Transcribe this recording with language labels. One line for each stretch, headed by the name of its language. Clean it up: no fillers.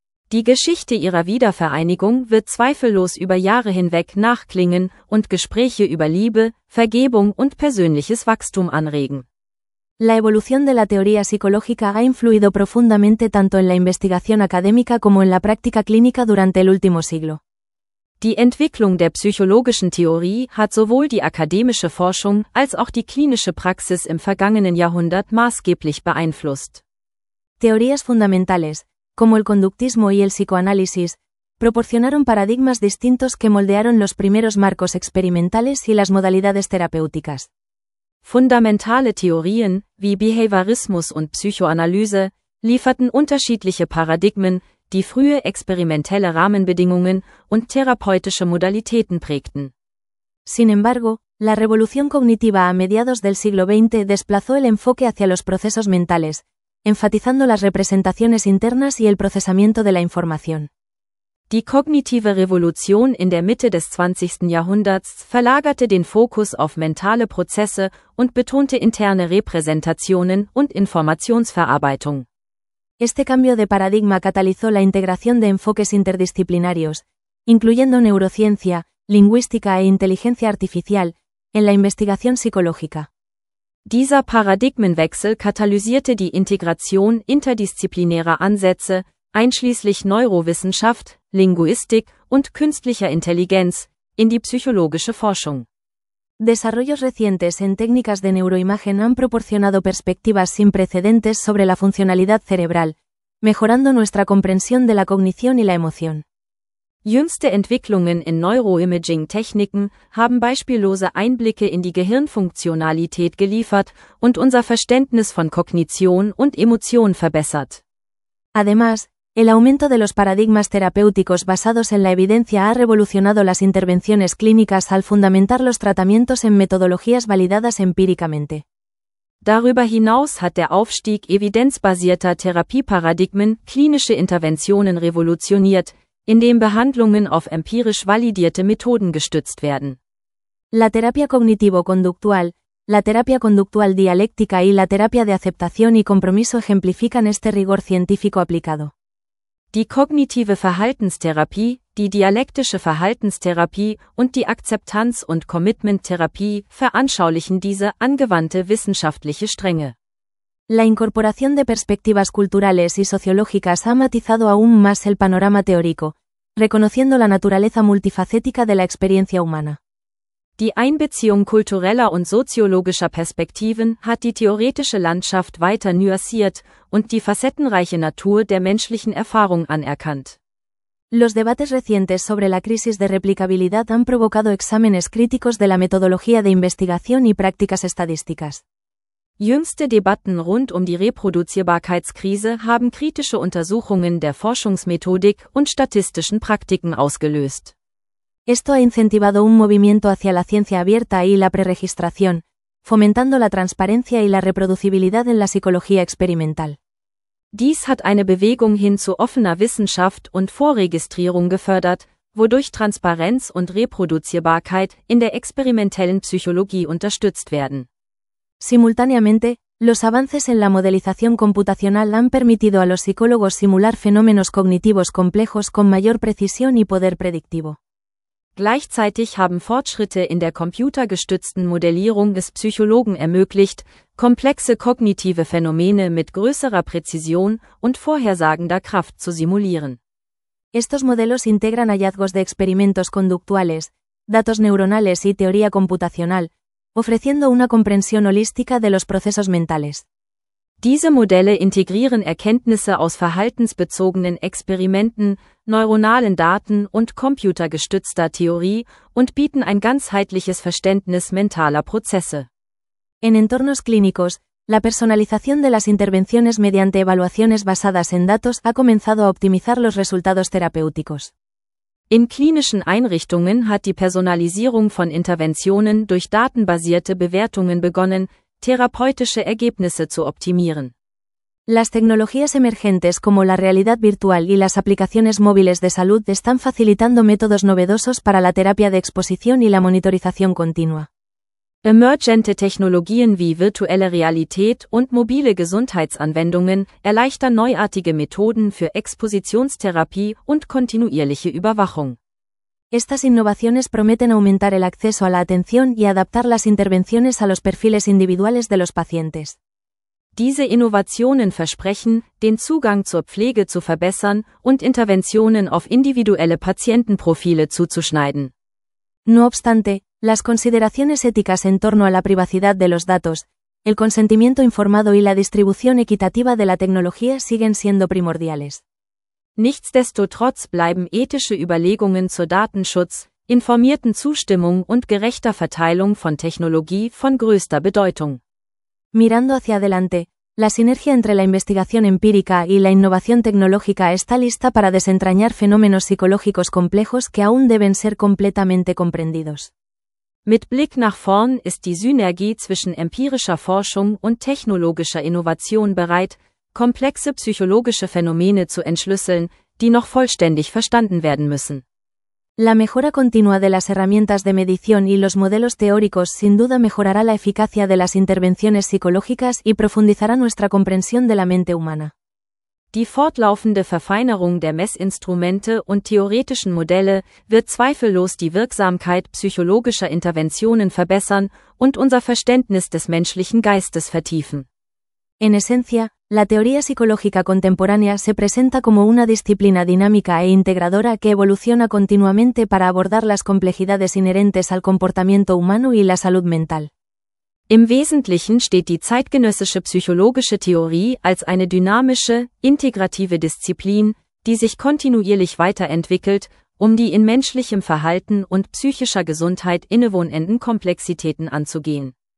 German: Die Geschichte ihrer Wiedervereinigung wird zweifellos über Jahre hinweg nachklingen und Gespräche über Liebe, Vergebung und persönliches Wachstum anregen.
Spanish: La evolución de la teoría psicológica ha influido profundamente tanto en la investigación académica como en la práctica clínica durante el último siglo.
German: Die Entwicklung der psychologischen Theorie hat sowohl die akademische Forschung als auch die klinische Praxis im vergangenen Jahrhundert maßgeblich beeinflusst.
Spanish: Teorías fundamentales, como el conductismo y el psicoanálisis, proporcionaron paradigmas distintos que moldearon los primeros marcos experimentales y las modalidades terapéuticas.
German: Fundamentale Theorien, wie Behaviorismus und Psychoanalyse, lieferten unterschiedliche Paradigmen, die frühe experimentelle Rahmenbedingungen und therapeutische Modalitäten prägten.
Spanish: Sin embargo, la revolución cognitiva a mediados del siglo XX desplazó el enfoque hacia los procesos mentales, enfatizando las representaciones internas y el procesamiento de la información.
German: Die kognitive Revolution in der Mitte des 20. Jahrhunderts verlagerte den Fokus auf mentale Prozesse und betonte interne Repräsentationen und Informationsverarbeitung.
Spanish: Este cambio de paradigma catalizó la integración de enfoques interdisciplinarios, incluyendo neurociencia, lingüística e inteligencia artificial, en la investigación psicológica.
German: Dieser Paradigmenwechsel katalysierte die Integration interdisziplinärer Ansätze, einschließlich Neurowissenschaft, Linguistik und künstlicher Intelligenz, in die psychologische Forschung.
Spanish: Desarrollos recientes en técnicas de neuroimagen han proporcionado perspectivas sin precedentes sobre la funcionalidad cerebral, mejorando nuestra comprensión de la cognición y la emoción.
German: Jüngste Entwicklungen in Neuroimaging-Techniken haben beispiellose Einblicke in die Gehirnfunktionalität geliefert und unser Verständnis von Kognition und Emotion verbessert.
Spanish: Además, el aumento de los paradigmas terapéuticos basados en la evidencia ha revolucionado las intervenciones clínicas al fundamentar los tratamientos en metodologías validadas empíricamente.
German: Darüber hinaus hat der Aufstieg evidenzbasierter Therapieparadigmen klinische Interventionen revolutioniert, indem Behandlungen auf empirisch validierte Methoden gestützt werden.
Spanish: La terapia cognitivo-conductual, la terapia conductual dialéctica y la terapia de aceptación y compromiso ejemplifican este rigor científico aplicado.
German: Die kognitive Verhaltenstherapie, die dialektische Verhaltenstherapie und die Akzeptanz- und Commitment-Therapie veranschaulichen diese angewandte wissenschaftliche Strenge.
Spanish: La incorporación de perspectivas culturales y sociológicas ha matizado aún más el panorama teórico, reconociendo la naturaleza multifacética de la experiencia humana.
German: Die Einbeziehung kultureller und soziologischer Perspektiven hat die theoretische Landschaft weiter nuanciert und die facettenreiche Natur der menschlichen Erfahrung anerkannt.
Spanish: Los debates recientes sobre la crisis de replicabilidad han provocado exámenes críticos de la metodología de investigación y prácticas estadísticas.
German: Jüngste Debatten rund um die Reproduzierbarkeitskrise haben kritische Untersuchungen der Forschungsmethodik und statistischen Praktiken ausgelöst.
Spanish: Esto ha incentivado un movimiento hacia la ciencia abierta y la preregistración, fomentando la transparencia y la reproducibilidad en la psicología experimental.
German: Dies hat eine Bewegung hin zu offener Wissenschaft und Vorregistrierung gefördert, wodurch Transparenz und Reproduzierbarkeit in der experimentellen Psychologie unterstützt werden.
Spanish: Simultáneamente, los avances en la modelización computacional han permitido a los psicólogos simular fenómenos cognitivos complejos con mayor precisión y poder predictivo.
German: Gleichzeitig haben Fortschritte in der computergestützten Modellierung es Psychologen ermöglicht, komplexe kognitive Phänomene mit größerer Präzision und vorhersagender Kraft zu simulieren.
Spanish: Estos modelos integran hallazgos de experimentos conductuales, datos neuronales y teoría computacional, ofreciendo una comprensión holística de los procesos mentales.
German: Diese Modelle integrieren Erkenntnisse aus verhaltensbezogenen Experimenten, neuronalen Daten und computergestützter Theorie und bieten ein ganzheitliches Verständnis mentaler Prozesse.
Spanish: En entornos clínicos, la personalización de las intervenciones mediante evaluaciones basadas en datos ha comenzado a optimizar los resultados terapéuticos.
German: In klinischen Einrichtungen hat die Personalisierung von Interventionen durch datenbasierte Bewertungen begonnen, therapeutische Ergebnisse zu optimieren.
Spanish: Las tecnologías emergentes como la realidad virtual y las aplicaciones móviles de salud están facilitando métodos novedosos para la terapia de exposición y la monitorización continua.
German: Emergente Technologien wie virtuelle Realität und mobile Gesundheitsanwendungen erleichtern neuartige Methoden für Expositionstherapie und kontinuierliche Überwachung.
Spanish: Estas innovaciones prometen aumentar el acceso a la atención y adaptar las intervenciones a los perfiles individuales de los pacientes.
German: Diese Innovationen versprechen, den Zugang zur Pflege zu verbessern und Interventionen auf individuelle Patientenprofile zuzuschneiden.
Spanish: No obstante, las consideraciones éticas en torno a la privacidad de los datos, el consentimiento informado y la distribución equitativa de la tecnología siguen siendo primordiales.
German: Nichtsdestotrotz bleiben ethische Überlegungen zur Datenschutz, informierten Zustimmung und gerechter Verteilung von Technologie von größter Bedeutung.
Spanish: Mirando hacia adelante, la sinergia entre la investigación empírica y la innovación tecnológica está lista para desentrañar fenómenos psicológicos complejos que aún deben ser completamente comprendidos.
German: Mit Blick nach vorn ist die Synergie zwischen empirischer Forschung und technologischer Innovation bereit, komplexe psychologische Phänomene zu entschlüsseln, die noch vollständig verstanden werden müssen.
Spanish: La mejora continua de las herramientas de medición y los modelos teóricos sin duda mejorará la eficacia de las intervenciones psicológicas y profundizará nuestra comprensión de la mente humana.
German: Die fortlaufende Verfeinerung der Messinstrumente und theoretischen Modelle wird zweifellos die Wirksamkeit psychologischer Interventionen verbessern und unser Verständnis des menschlichen Geistes vertiefen.
Spanish: En esencia, la teoría psicológica contemporánea se presenta como una disciplina dinámica e integradora que evoluciona continuamente para abordar las complejidades inherentes al comportamiento humano y la salud mental.
German: Im Wesentlichen steht die zeitgenössische psychologische Theorie als eine dynamische, integrative Disziplin, die sich kontinuierlich weiterentwickelt, um die in menschlichem Verhalten und psychischer Gesundheit innewohnenden Komplexitäten anzugehen.